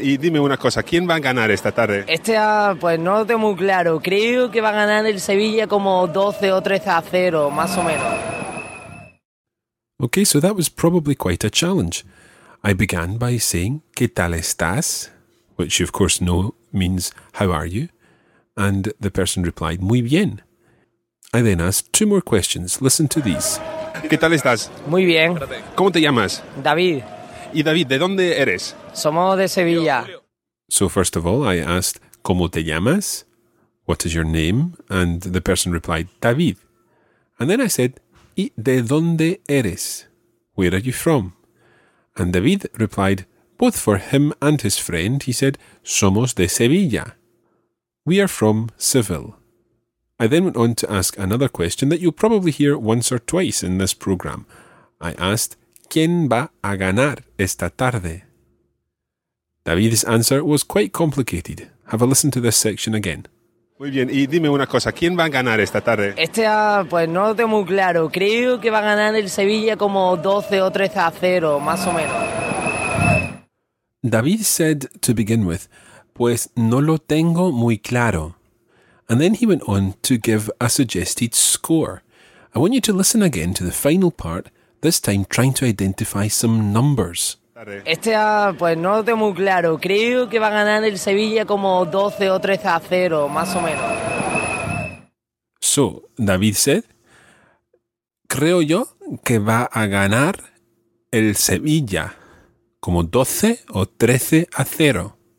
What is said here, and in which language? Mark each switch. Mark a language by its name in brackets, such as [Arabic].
[Spanish] Y dime una cosa, ¿quién va a ganar esta tarde? Pues no lo tengo muy claro. Creo que va a ganar el Sevilla como 12-13-0, más o menos. [English] Okay, so that was probably quite a challenge. I began by saying, [Spanish] ¿qué tal estás? [English] Which you of course know means, how are you? And the person replied, [Spanish] muy bien. [English] I then asked two more questions. Listen to these. [Spanish] ¿Qué tal estás? Muy bien. ¿Cómo te llamas? David. ¿Y David, de dónde eres? Somos de Sevilla. [English] So first of all, I asked, [Spanish] ¿cómo te llamas? [English] What is your name? And the person replied, David. And then I said, [Spanish] ¿y de dónde eres? [English] Where are you from? And David replied, both for him and his friend, he said, [Spanish] somos de Sevilla. [English] We are from Seville. I then went on to ask another question that you'll probably hear once or twice in this programme. I asked, [Spanish] ¿quién va a ganar esta tarde? [English] David's answer was quite complicated. Have a listen to this section again. [Spanish] Muy bien, y dime una cosa, ¿quién va a ganar esta tarde? Pues no lo tengo muy claro, creo que va a ganar el Sevilla como 12-13-0, más o menos. [English] David said to begin with, [Spanish] pues no lo tengo muy claro. [English] And then he went on to give a suggested score. I want you to listen again to the final part, this time trying to identify some numbers. [Spanish] Pues no lo tengo muy claro. Creo que va a ganar el Sevilla como 12-13-0, más o menos. [English] So, David said, [Spanish] creo yo que va a ganar el Sevilla como 12-13-0.